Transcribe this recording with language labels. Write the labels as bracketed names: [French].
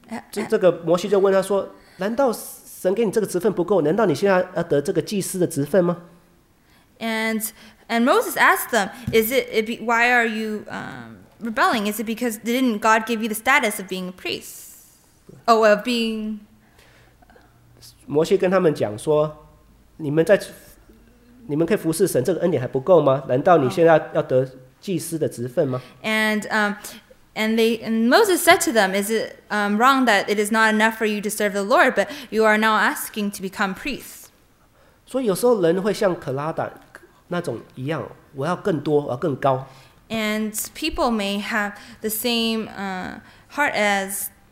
[Chinese] 这个摩西就问他说：“难道神给你这个职分不够？难道你现在要得这个祭司的职分吗？” [English] And Moses asked them, "Why are you rebelling? Is it because didn't God give you the status of being a priest? Oh, of being?" [Chinese] 摩西跟他们讲说：“你们可以服侍神，这个恩典还不够吗？难道你现在要得祭司的职分吗？” [English] And Moses said to them, "Is it wrong that it is not enough for you to serve the Lord, but you are now asking to become priests?" [Chinese] 所以有时候人会像可拉胆那种一样，我要更多，我要更高。 [English] And people may have the same heart as